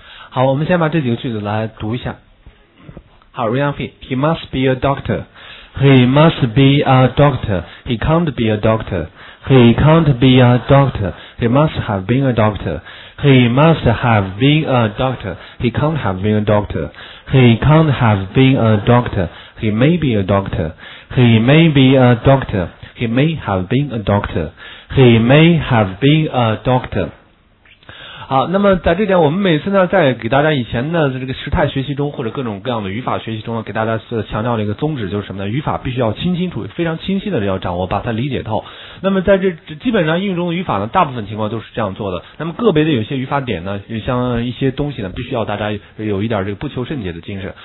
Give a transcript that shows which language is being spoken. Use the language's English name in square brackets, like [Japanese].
[Chinese] 好，我们先把这几个句子来读一下。好 [English] ，Ryan Fee， he must be a doctor， he must be a doctor， he can't be a doctor， he can't be a doctor， he must have been a doctor， he must have been a doctor， he can't have been a doctor， he can't have been a doctor， he may be a doctor， he may be a doctor， he may have been a doctor， he may have been a doctor。 [Chinese] 好，那么在这点我们每次呢在给大家以前的这个时态学习中或者各种各样的语法学习中呢给大家强调的一个宗旨就是什么呢，语法必须要清清楚，非常清晰的要掌握，把它理解透。那么在这基本上应用中的语法呢大部分情况都是这样做的，那么个别的有些语法点呢像一些东西呢必须要大家有一点这个不求甚解的精神。